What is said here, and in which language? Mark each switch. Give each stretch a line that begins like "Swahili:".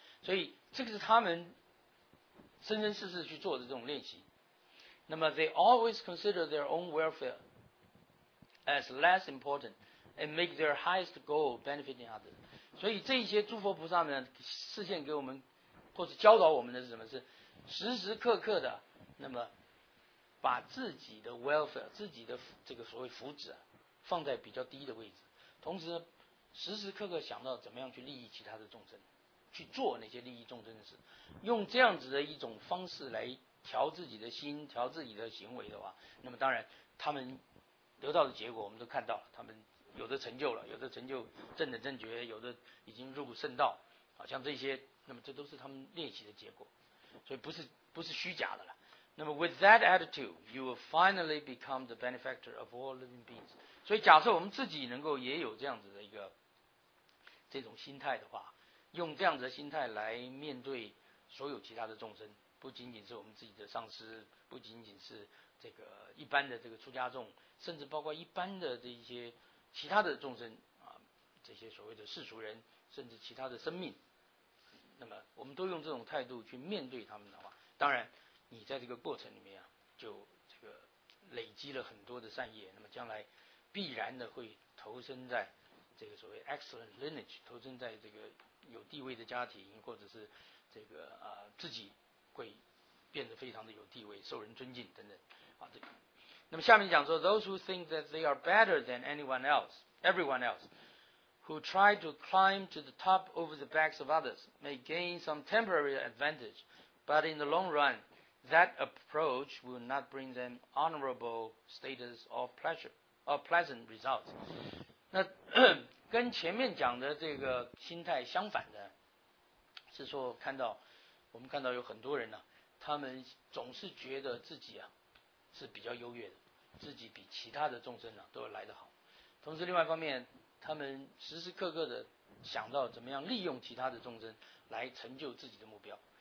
Chinese: 所以这个是他们生生世世去做的这种练习。
English: 那么 they always consider their own welfare as less important and make their highest goal benefiting others。
Chinese: 所以这些诸佛菩萨们示现给我们或是教导我们的是什么，是时时刻刻的那么把自己的 welfare， 自己的这个所谓福祉、啊、放在比较低的位置，同时时时刻刻想到怎么样去利益其他的众生，去做那些利益众生的事，用这样子的一种方式来调自己的心，调自己的行为的话，那么当然他们得到的结果我们都看到了，他们有的成就了，有的成就正等正觉，有的已经入圣道，好像这些，那么这都是他们练习的结果，所以不是虚假的了。
English: 那么 with that attitude, you will finally become the benefactor of all living beings.
Chinese: 所以假设我们自己能够也有这样子的一个这种心态的话，用这样子的心态来面对所有其他的众生，不仅仅是我们自己的上师，不仅仅是这个一般的这个出家众，甚至包括一般的这一些其他的众生啊，这些所谓的世俗人，甚至其他的生命，那么我们都用这种态度去面对他们的话，当然你在这个过程里面啊，就这个累积了很多的善业，那么将来必然的会投身在这个所谓
English: excellent lineage，
Chinese: 投身在这个有地位的家庭，或者是这个自己会变得非常的有地位，受人尊敬等等啊。这个，那么下面讲说
English: ，those who think that they are better than anyone else， everyone else， who try to climb to the top over the backs of others may gain some temporary advantage， but in the long run that approach will not bring them honorable status or pleasure or pleasant results。
Chinese: 那跟前面讲的这个心态相反的是说，我们看到有很多人呢、啊、他们总是觉得自己啊是比较优越的，自己比其他的众生呢、啊、都来得好，同时另外一方面他们时时刻刻的想到怎么样利用其他的众生来成就自己的目标。